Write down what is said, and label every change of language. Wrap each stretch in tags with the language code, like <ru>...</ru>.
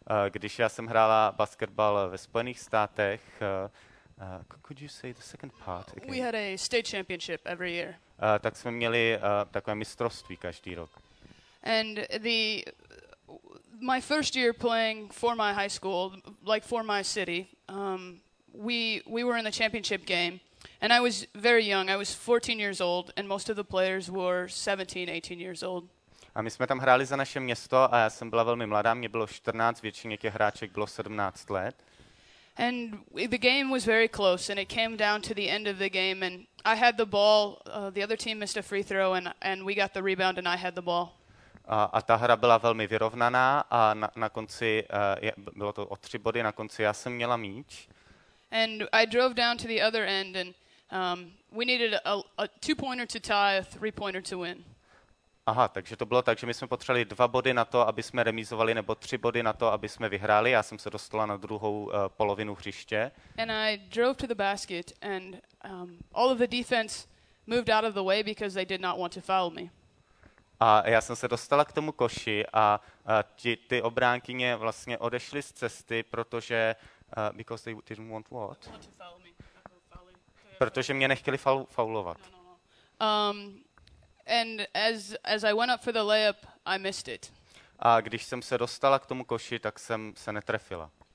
<cs>Když já jsem hrála basketbal ve Spojených státech,</cs> <en>could you say the second part again? We had a state championship every year.</en> <cs>Tak jsme měli takové mistrovství každý rok.</cs> <en>And my first year playing for my high school, like for my city, we were in the championship game. And I was very young. I was 14 years old and most of the players were 17, 18 years old.</en> <cs>A my jsme tam hráli za naše město a já jsem byla velmi mladá. Mě bylo 14, většině těch hráček bylo 17 let.</cs> <en>And the game was very close and it came down to the end of the game and I had the ball. The other team missed a free throw and we got the rebound and I had the ball.</en> <cs>A ta hra byla velmi vyrovnaná a na konci bylo to o 3 body, na konci já jsem měla míč.</cs> <en>And I drove down to the other end and we needed a 2-pointer to tie, a 3-pointer to win.</en> <cs>Aha, takže to bylo tak, že my jsme potřebovali 2 body na to, aby jsme remizovali, nebo 3 body na to, aby jsme vyhráli. Já jsem se dostala na druhou polovinu hřiště.</cs> <en>And I drove to the basket and all of the defense moved out of the way because they did not want to foul me.</en> <cs>A já jsem se dostala k tomu koši a ty obránkyně vlastně odešly z cesty, protože</cs> <en>because they didn't want what? Want to foul me.</en> <cs>Protože mě nechtěli faulovat.</cs> <en>And as I went up for the layup, I missed it.</en> <cs>A když jsem se dostala k tomu koši, tak jsem se netrefila.</cs>